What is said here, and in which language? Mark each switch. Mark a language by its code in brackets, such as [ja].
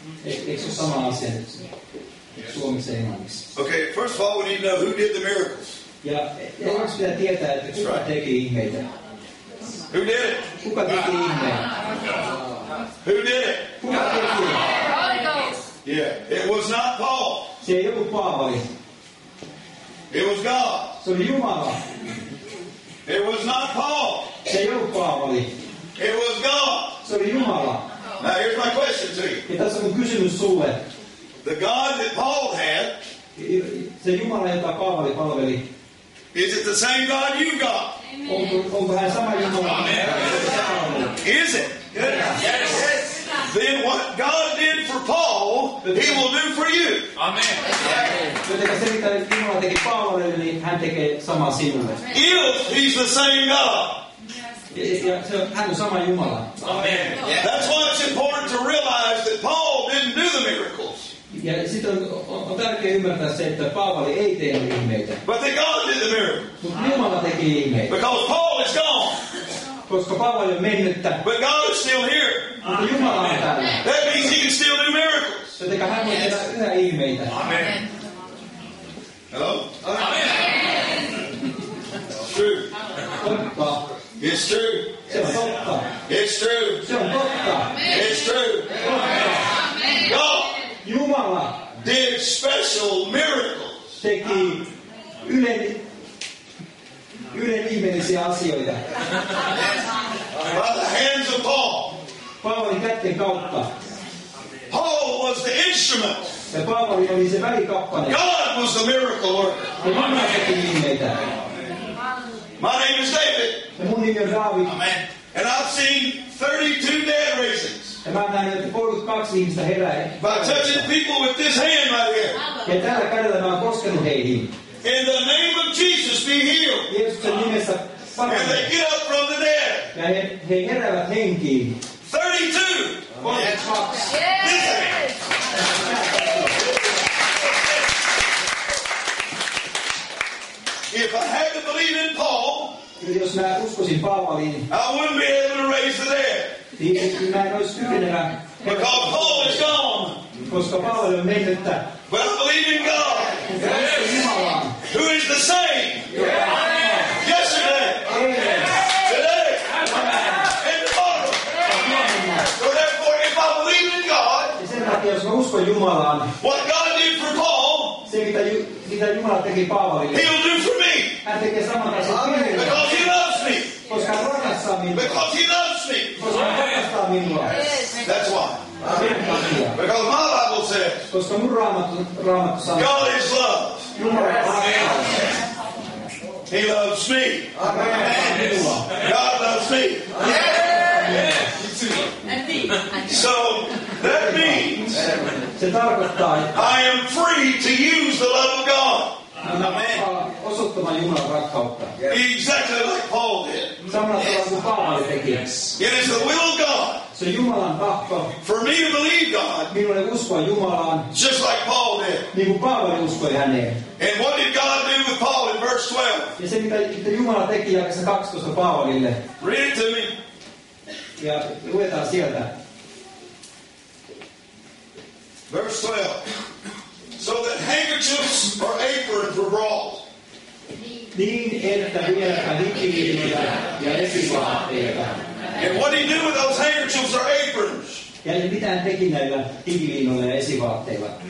[fi] Eikö se ole sama asia nyt Suomessa Englannissa? [en] Okay, first of all, we need to know who did the miracles. [fi] Ja onko pitää tietää, että kuka teki ihmeitä? [en] Who did it? [fi] Kuka teki ihmeitä? [en] Who did it? [fi] Kuka teki ihmeitä? [en] Yeah, it was not Paul. [fi] Se ei ollut Paavali. [en] It was God. [fi] Se oli Jumala. [en] It was not Paul. [fi] Se ei ollut Paavali. [en] It was God. [fi] Se oli Jumala. [en] Now here's my question to you. [fi] Ja tässä on kysymys sulle. [en] The God that Paul had. [fi] Se Jumala, jota Paavali palveli. [en] Is it the same God you got? [fi] Onko hän sama Jumala? [en] Is it? Yes. Then what God did for Paul, he will do for you. Amen. [fi] Joten se, mitä Jumala teki Paavalle, niin hän tekee sama sinulle. [en] If he's the same God. [fi] Hän on sama Jumala. [en] Amen. That's why it's important to realize that Paul didn't do the miracles. [fi] Ja sitten on tärkeää ymmärtää se, että Paavali ei tehnyt ihmeitä. [en] But that God did the miracles. [fi] Mutta Jumala teki ihmeitä. [en] Because Paul is gone. [fi] Koska Paavali on mennyt. [en] But God is still here. [fi] Mutta Jumala on täällä. [en] That means he can still do miracles. [fi] Jotenka hän voi tehdä yhä ihmeitä. [en] Amen. Hello? Amen. True. It's true. [fi] Se on totta. [en] It's true. [fi] Se on totta. [en] It's true. Amen. God. [fi] Jumala. [en] Did special miracles. [fi] Teki yhden ihmeellisiä asioita. [en] By the hands of Paul. [fi] Paavalin kätten kautta. [en] Paul was the instrument. [fi] Ja Paavali oli se välikappale. [en] God was the miracle worker. [fi] Ja Jumala teki ihmeitä. [en] My name is David. [fi] Mun nimi on David. [en] Amen. And I've seen 32 dead raisings. [fi] Ja mä näin, että 32 ihmistä herää. [en] By touching people with this hand right here. [fi] Ja tällä kädellä mä oon koskenut heihin. [en] In the name of Jesus be healed. [fi] Jeesuksen nimessä parane. [en] And they get up from the dead. [fi] Ja he heräävät henkiin. [en] 32. Yeah. This hand. If I had to believe in Paul, [fi] jos mä uskoisin Paavaliin, [en] I wouldn't be able to raise the dead. Because Paul is gone. [fi] Koska Paavali on mennyt. [en] But I believe in God. Yes. Who is the same? Yes. Yesterday. Yes. Today. Yes. And tomorrow. Yes. So therefore, if I believe in God, [fi] jos mä uskon Jumalaan, [en] what God did for Paul, [fi] se mitä Jumala teki Paavalille, [en] he'll do for me. [fi] Hän tekee saman asian. [en] Because he loves me. [fi] Koska hän rakastaa minua. [en] Because he loves me. [fi] Koska hän rakastaa minua. [en] That's why. Because my Bible says, [fi] koska mun raamattu sanoo, [en] God is love. [fi] Jumala on rakkaus. [en] He loves me. Amen. Amen. God loves me. Yes. So that means se tarkoittaa, että I am free to use the love of God. Amen. [fi] Osoittamaan Jumalan rakkautta. [en] Exactly like Paul did. [fi] Samalla tavalla kuin Paavali teki. [en] It is the will of God. [fi] Se Jumalan tahto. [en] For me to believe God. [fi] Minulle uskoa Jumalaan. [en] Just like Paul did. [fi] Niin kuin Paavali uskoi häneen. [en] And what did God do with Paul in verse 12? [fi] Ja se mitä Jumala teki jakessa 12 Paavalille. [en] Read it to me. [fi] Ja luetaan sieltä. [en] Verse 12. So that handkerchiefs or aprons were brought. [fi] Niin, että vieläpä lippiliinoja ja esivaatteita. [en] And what did he do with those handkerchiefs or aprons? [fi] Ja mitä hän teki näillä lippiliinoilla ja esivaatteilla?